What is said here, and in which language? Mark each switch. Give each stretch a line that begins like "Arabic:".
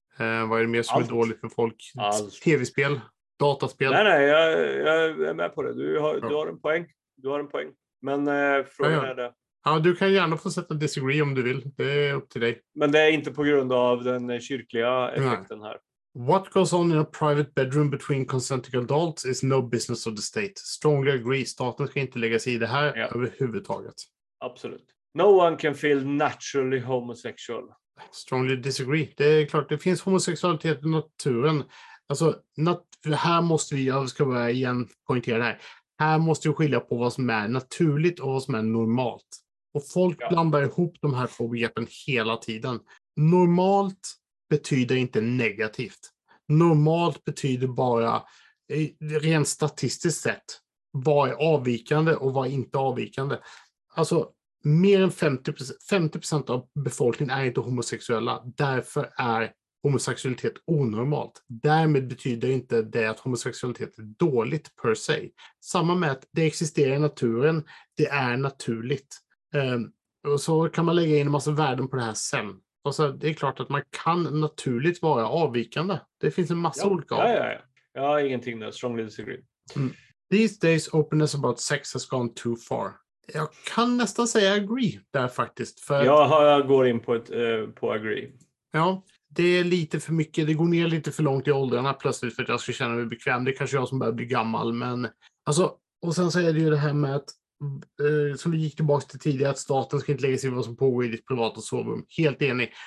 Swedish: Vad är det mer som allt. Är dåligt för folk? Allt. TV-spel, dataspel. Nej, jag är med på det. Du har en poäng. Du har en poäng. Men frågan är det. Ja, du kan gärna få sätta disagree om du vill. Det är upp till dig. Men det är inte på grund av den kyrkliga effekten här.
English: What goes on in a private bedroom between consenting adults is no business of the state. Strongly agree.
Swedish: Staten ska inte lägga sig i det här överhuvudtaget. Absolut.
English: No one can feel naturally homosexual. Strongly disagree.
Swedish: Det är klart, det finns homosexualitet i naturen. Alltså, här måste vi, jag ska bara igen poängtera det här. Här måste vi skilja på vad som är naturligt och vad som är normalt. Och folk blandar ihop de här två begreppen hela tiden. Normalt betyder inte negativt. Normalt betyder bara, rent statistiskt sett, vad är avvikande och vad är inte avvikande. Alltså, mer än 50% av befolkningen är inte homosexuella. Därför är homosexualitet onormalt. Därmed betyder inte det att homosexualitet är dåligt per se. Samma med att det existerar i naturen, det är naturligt. Och så kan man lägga in en massa värden på det här sen. Och så det är klart att man kan naturligt vara avvikande. Det finns en massa olika avvikande. Jag har ingenting där,
English: strongly disagree. These days openness about sex has gone too far.
Swedish: Jag kan nästan säga agree där faktiskt. Jag går in på agree. Ja, det är lite för mycket. Det går ner lite för långt i åldrarna plötsligt för att jag ska känna mig bekväm. Det är kanske jag som börjar bli gammal. Men, alltså, och sen så är det ju det här med att, som vi gick tillbaka till tidigare, att staten ska inte lägga sig i vad som pågår i ditt privata sovrum. Helt enig.